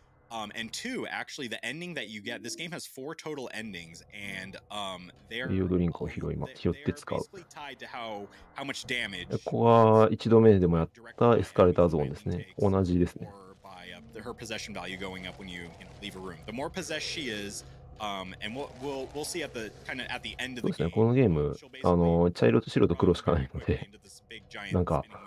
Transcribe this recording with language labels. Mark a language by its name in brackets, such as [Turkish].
[English] And two, actually, the ending that you get, this game has four total endings, and they're basically tied to how much damage. [Japanese] ここは一度目でもやったエスカレーターゾーンですね。同じですね。 [English] Her possession value going up when you leave a room. The more possessed she is, and we'll see at the kind of at the end of the game. [Japanese] このゲーム、茶色と白と黒しかないので、なんか。